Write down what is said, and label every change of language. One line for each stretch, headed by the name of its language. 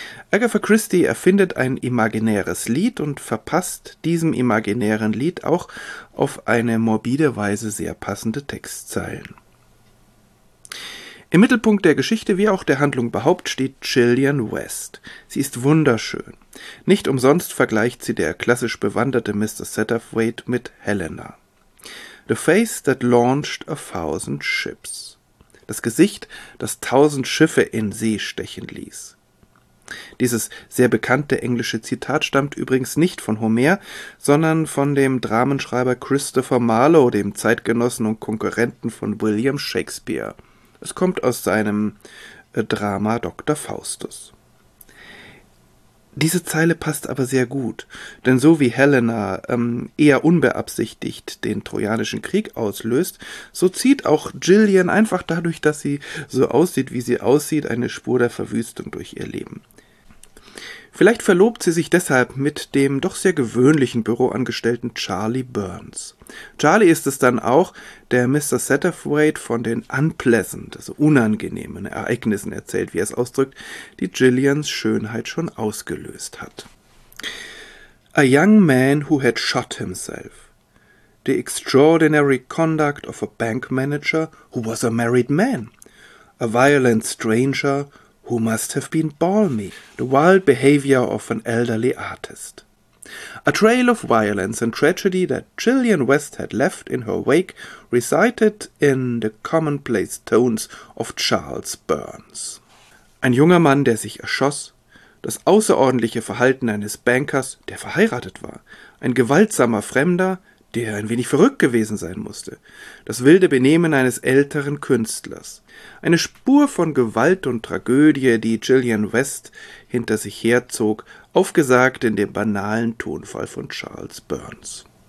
German: Agatha Christie erfindet ein imaginäres Lied und verpasst diesem imaginären Lied auch auf eine morbide Weise sehr passende Textzeilen. Im Mittelpunkt der Geschichte, wie auch der Handlung behauptet, steht Gillian West. Sie ist wunderschön. Nicht umsonst vergleicht sie der klassisch bewanderte Mr. Satterthwaite mit Helena.
English: The face that launched a thousand ships.
German: Das Gesicht, das tausend Schiffe in See stechen ließ. Dieses sehr bekannte englische Zitat stammt übrigens nicht von Homer, sondern von dem Dramenschreiber Christopher Marlowe, dem Zeitgenossen und Konkurrenten von William Shakespeare. Es kommt aus seinem Drama Dr. Faustus. Diese Zeile passt aber sehr gut, denn so wie Helena eher unbeabsichtigt den Trojanischen Krieg auslöst, so zieht auch Gillian einfach dadurch, dass sie so aussieht, wie sie aussieht, eine Spur der Verwüstung durch ihr Leben. Vielleicht verlobt sie sich deshalb mit dem doch sehr gewöhnlichen Büroangestellten Charlie Burns. Charlie ist es dann auch, der Mr. Satterthwaite von den unpleasant, also unangenehmen Ereignissen erzählt, wie er es ausdrückt, die Gillians Schönheit schon ausgelöst hat.
English: A young man who had shot himself. The extraordinary conduct of a bank manager who was a married man. A violent stranger who must have been balmy, the wild behavior of an elderly artist. A trail of violence and tragedy that Gillian West had left in her wake recited in the commonplace tones of Charles Burns.
German: Ein junger Mann, der sich erschoss, das außerordentliche Verhalten eines Bankers, der verheiratet war, ein gewaltsamer Fremder, der ein wenig verrückt gewesen sein musste, das wilde Benehmen eines älteren Künstlers. Eine Spur von Gewalt und Tragödie, die Gillian West hinter sich herzog, aufgesagt in dem banalen Tonfall von Charles Burns.